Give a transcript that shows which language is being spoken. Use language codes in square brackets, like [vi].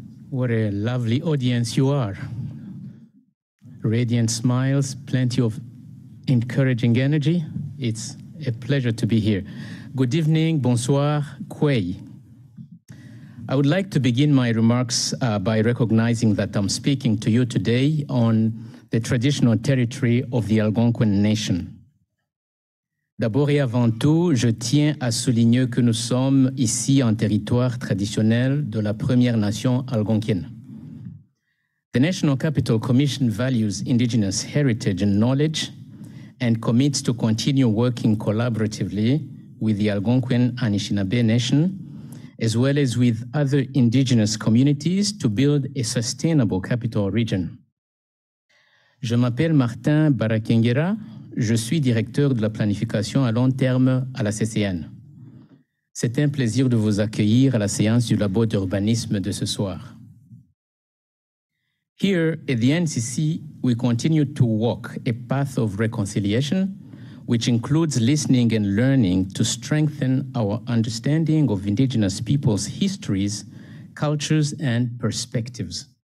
[en] What a lovely audience you are. Radiant smiles, plenty of encouraging energy. It's a pleasure to be here. Good evening, bonsoir, kwei. I would like to begin my remarks by recognizing that I'm speaking to you today on the traditional territory of the Algonquin Nation. [fr] D'abord et avant tout, je tiens à souligner que nous sommes ici en territoire traditionnel de la Première Nation Algonquienne. [en] The National Capital Commission values Indigenous heritage and knowledge and commits to continue working collaboratively with the Algonquin Anishinaabe Nation, as well as with other Indigenous communities to build a sustainable capital region. [fr] Je m'appelle Martin Barakengera. Je suis directeur de la planification à long terme à la CCN. C'est un plaisir de vous accueillir à la séance du Labo d'urbanisme de ce soir. [en] Here at the NCC, we continue to walk a path of reconciliation, which includes listening and learning to strengthen our understanding of Indigenous peoples' histories, cultures, and perspectives.